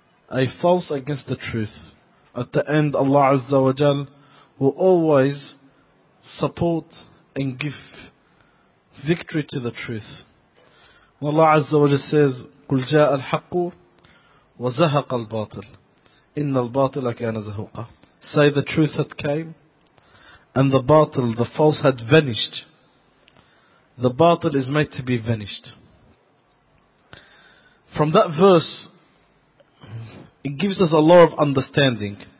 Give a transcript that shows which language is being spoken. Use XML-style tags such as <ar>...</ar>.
<en>A false against the truth. At the end, Allah Azza wa Jal will always support and give victory to the truth. And Allah Azza wa Jal says,</en> <ar>قُلْ جَاءَ الْحَقُّ وزهق الباطل إن الباطل كان زهوقا.</ar> <en>Say the truth had came and the batil, the false had vanished. The batil is made to be vanished. From that verse, it gives us a lot of understanding.</en>